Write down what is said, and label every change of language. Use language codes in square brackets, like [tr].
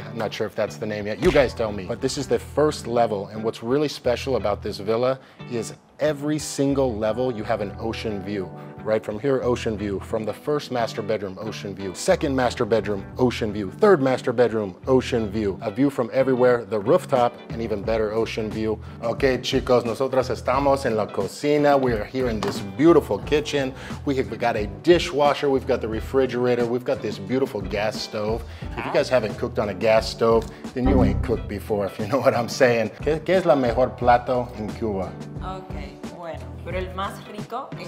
[en] I'm not sure if that's the name yet. You guys tell me. But this is the first level, and what's really special about this villa is every single level you have an ocean view. Right from here, ocean view. From the first master bedroom, ocean view. Second master bedroom, ocean view. Third master bedroom, ocean view. A view from everywhere, the rooftop, an even better ocean view. [es] Okay, chicos, nosotros estamos en la cocina. [en] We are here in this beautiful kitchen. We have got a dishwasher, we've got the refrigerator, we've got this beautiful gas stove. If you guys haven't cooked on a gas stove, then you ain't cooked before, if you know what I'm saying. [es] ¿Qué es la mejor plato en Cuba? Okay, bueno, pero el más rico es...